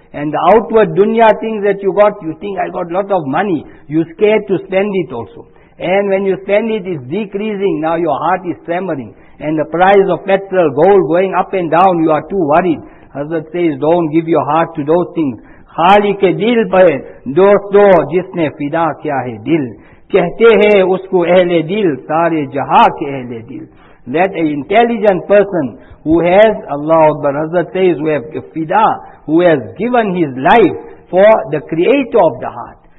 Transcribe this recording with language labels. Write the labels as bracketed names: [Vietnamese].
[English] And the outward dunya things that you got, you think, I got a lot of money. You're scared to spend it also. And when you spend it, it's decreasing. Now your heart is trembling. And the price of petrol, gold going up and down, you are too worried. Hazrat says, don't give your heart to those things. [Urdu] خالق دل پر دوستو جس نے فدا کیا ہے دل کہتے ہیں اس کو اہل دل سارے جہاں کے اہل دل. [English] That an intelligent person who has, Allah Akbar, Hazrat says, who have fida, who has given his life for the creator of the heart.